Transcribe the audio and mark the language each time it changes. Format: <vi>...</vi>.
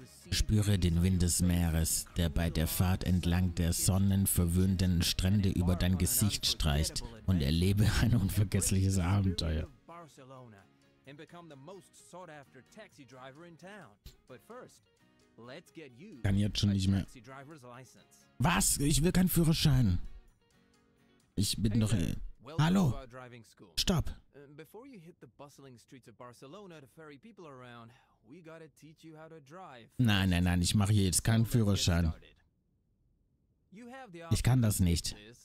<de>Spüre den Wind des Meeres, der bei der Fahrt entlang der sonnenverwöhnten Strände über dein Gesicht streicht, und erlebe ein unvergessliches Abenteuer.</de> <en>And become the most sought after taxi driver in town. But first, let's get you a taxi driver's license.</en> <de>Was? Ich will keinen Führerschein. Ich bin doch... Hallo? Stopp.</de> <en>Before you hit the bustling streets of Barcelona to ferry people around, we gotta teach you how to drive.</en> <de>Nein, nein, nein, ich mache hier jetzt keinen Führerschein. Ich kann das nicht.</de>